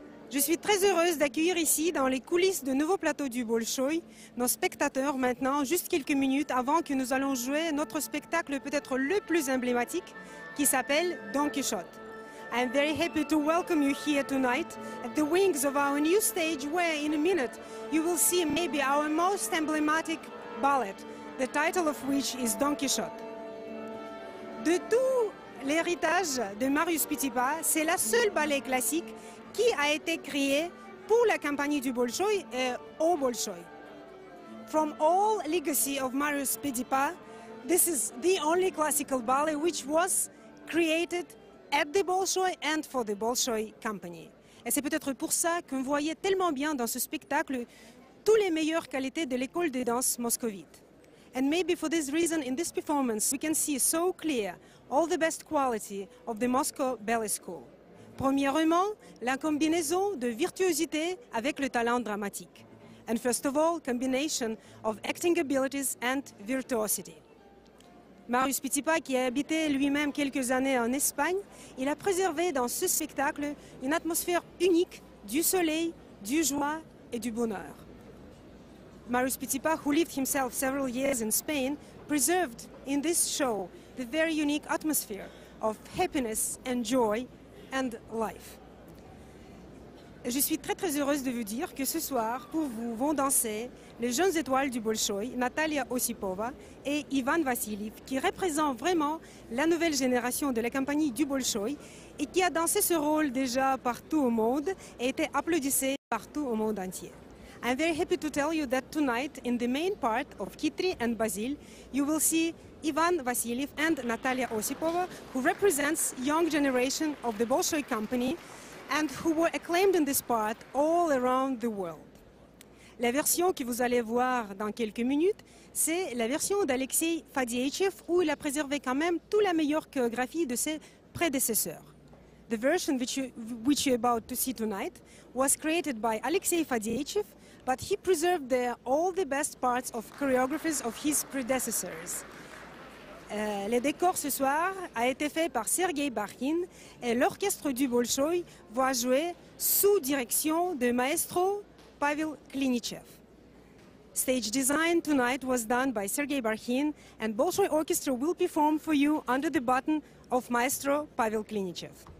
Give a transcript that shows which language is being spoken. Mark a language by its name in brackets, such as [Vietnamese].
[French] Je suis très heureuse d'accueillir ici, dans les coulisses de Nouveau Plateau du Bolshoï, nos spectateurs maintenant, juste quelques minutes avant que nous allons jouer notre spectacle peut-être le plus emblématique, qui s'appelle Don Quichotte. [English] I'm very happy to welcome you here tonight at the wings of our new stage where in a minute you will see maybe our most emblematic ballet, the title of which is Don Quichotte. [French] De tout l'héritage de Marius Petipa, c'est la seule ballet classique qui a été créée pour la compagnie du Bolshoï et au Bolshoï. [English] From all legacy of Marius Petipa, this is the only classical ballet which was created at the Bolshoi and for the Bolshoi Company. [French] Et c'est peut-être pour ça qu'on voyait tellement bien dans ce spectacle toutes les meilleures qualités de l'école de danse moscovite. [English] And maybe for this reason, in this performance, we can see so clear all the best quality of the Moscow Ballet School. [French] Premièrement, la combinaison de virtuosité avec le talent dramatique. [English] And first of all, combination of acting abilities and virtuosity. [French] Marius Petipa, qui a habité lui-même quelques années en Espagne, il a préservé dans ce spectacle une atmosphère unique du soleil, du joie et du bonheur. [English] Marius Petipa, who lived himself several years in Spain, preserved in this show the very unique atmosphere of happiness and joy and life. [French] Je suis très très heureuse de vous dire que ce soir, pour vous, vont danser les jeunes étoiles du Bolshoï, Natalia Osipova et Ivan Vassiliev, qui représentent vraiment la nouvelle génération de la compagnie du Bolshoï et qui a dansé ce rôle déjà partout au monde et été applaudissé partout au monde entier. [English] I'm very happy to tell you that tonight, in the main part of Kitri and Basil, you will see Ivan Vassiliev and Natalia Osipova, who represents young generation of the Bolshoï company, and who were acclaimed in this part all around the world. [French] La version que vous allez voir dans quelques minutes, c'est la version d'Alexei Fadyeichev, où il a préservé quand même toute la meilleure chorégraphie de ses prédécesseurs. [English] The version which you're about to see tonight was created by Alexei Fadyeichev, but he preserved there all the best parts of choreographies of his predecessors. [French] Les décors ce soir a été fait par Sergei Barkin et l'orchestre du Bolshoï va jouer sous direction de maestro Pavel Klinichev. [English] Stage design tonight was done by Sergei Barkin and Bolshoï Orchestra will perform for you under the baton of maestro Pavel Klinichev.